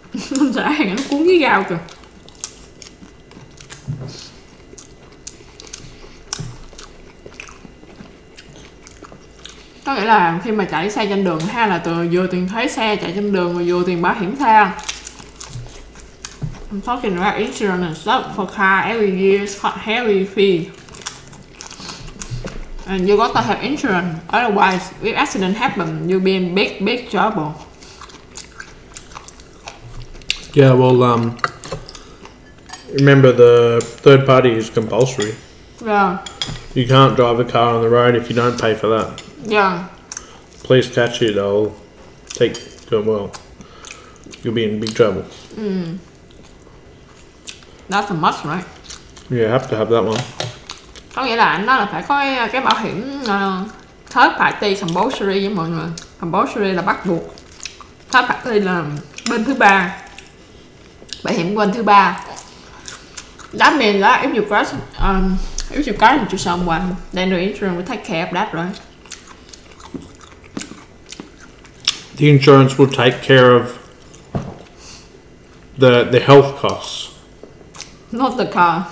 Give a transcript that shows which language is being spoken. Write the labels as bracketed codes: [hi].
[vi] Mình sợ hàng nó cuốn với dao kìa. Có nghĩa là khi mà chạy xe trên đường hay là từ vừa tiền thuế xe chạy trên đường và vừa tiền bảo hiểm xe. [en] I'm talking about insurance and stuff for car every year is quite heavy fee. And you gotta have insurance, otherwise if accident happen, you'll be in big, big trouble. Yeah, well, remember the third party is compulsory. Yeah. You can't drive a car on the road if you don't pay for that. Yeah. Police catch you, they'll take to it well. You'll be in big trouble. That's a must, right? Yeah, have to have that one. [vi] Có nghĩa là anh nói là phải có cái bảo hiểm [en] third party compulsory [vi] với mọi người. compulsory là bắt buộc. Thắc mắc đây là bên thứ ba, bảo hiểm bên thứ ba. [en] That means that if you cross, if you cross into someone, then the insurance will take care of that, right? The insurance will take care of the health costs. Not the car.